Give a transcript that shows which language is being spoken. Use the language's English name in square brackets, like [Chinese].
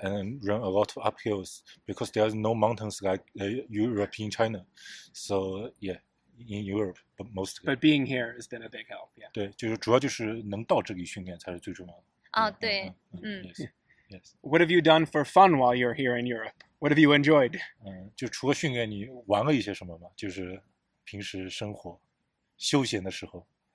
[English] and run a lot of uphills because there's no mountains like Europe in China. So yeah, in Europe, but mostly. But being here has been a big help, yeah. [Chinese] 对，就是主要就是能到这里训练才是最重要的。啊，对，嗯。 [English] Yes. What have you done for fun while you're here in Europe? What have you enjoyed? [Chinese] 就除了训练，你玩了一些什么吗？就是平时生活，休闲的时候。